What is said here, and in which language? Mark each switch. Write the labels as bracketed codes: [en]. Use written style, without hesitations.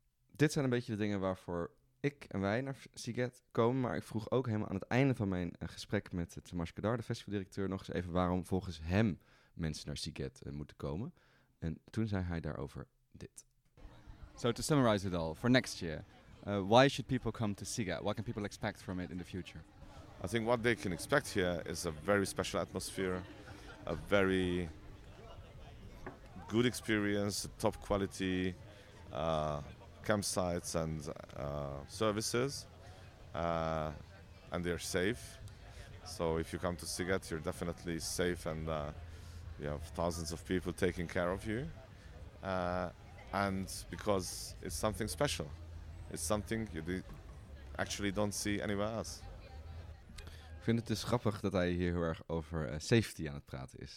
[nl] Dit zijn een beetje de dingen waarvoor ik en wij naar Seagat komen. Maar ik vroeg ook helemaal aan het einde van mijn gesprek met Tamas Kadar, de festivaldirecteur, nog eens even waarom volgens hem mensen naar Seagat moeten komen. En toen zei hij daarover dit. [en] So to summarize it all, for next year, why should people come to Seagat? What can people expect from it in the future? I think what they can expect here is a very special atmosphere, a very good experience, top quality campsites and services, and they're safe. So if you come to Seagat, you're definitely safe and you have thousands of people taking care of you. And because it's something special, it's something you actually don't see anywhere else. [nl] Ik vind het dus grappig dat hij hier heel erg over safety aan het praten is.